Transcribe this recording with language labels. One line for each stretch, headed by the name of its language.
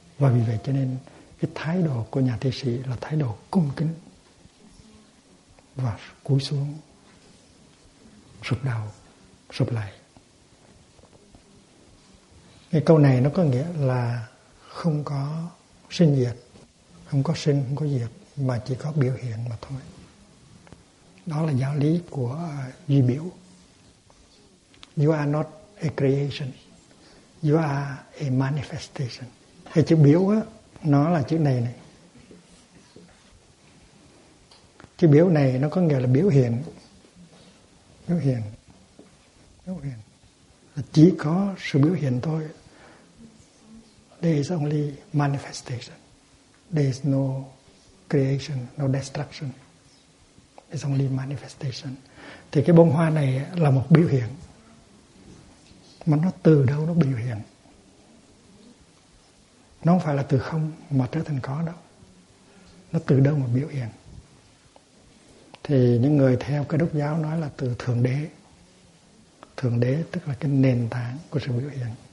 Vietnamese: Và vì vậy cho nên cái thái độ của nhà thi sĩ là thái độ cung kính và cúi xuống, sụp đầu, sụp lại. Cái câu này nó có nghĩa là không có sinh diệt, không có sinh, không có diệt, mà chỉ có biểu hiện mà thôi. Đó là giáo lý của duy biểu.
English: You are not a creation, you are a manifestation.
Vietnamese: Cái chữ biểu á, nó là chữ này này. Chữ biểu này nó có nghĩa là biểu hiện. Biểu hiện. Biểu hiện. Chỉ có sự biểu hiện thôi.
English: There is only manifestation. There is no creation, no destruction. It's only manifestation.
Vietnamese: Thì cái bông hoa này là một biểu hiện. Mà nó từ đâu nó biểu hiện? Nó không phải là từ không mà trở thành có đâu. Nó từ đâu mà biểu hiện? Thì những người theo cái Đức giáo nói là từ Thượng Đế. Thượng Đế tức là cái nền tảng của sự biểu hiện.